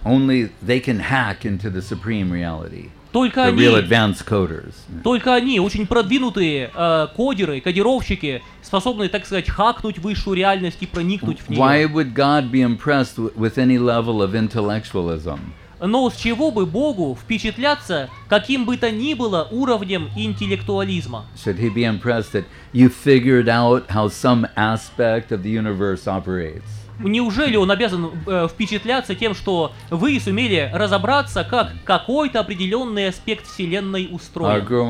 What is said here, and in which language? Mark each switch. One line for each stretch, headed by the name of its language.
English: Only they can hack into the supreme reality.
Russian: Только
English: the
Russian: они,
English: real advanced coders.
Russian: Только они, очень продвинутые кодеры, кодировщики, способны, так сказать, хакнуть высшую реальность и проникнуть в нее.
English: Why would God be impressed with any level of intellectualism?
Russian: Но с чего бы Богу впечатляться, каким бы то ни было уровнем интеллектуализма?
English: Should he be impressed that you figured out how some aspect of the universe operates?
Russian: Неужели он обязан впечатляться тем, что вы сумели разобраться, как какой-то определенный аспект Вселенной устроен?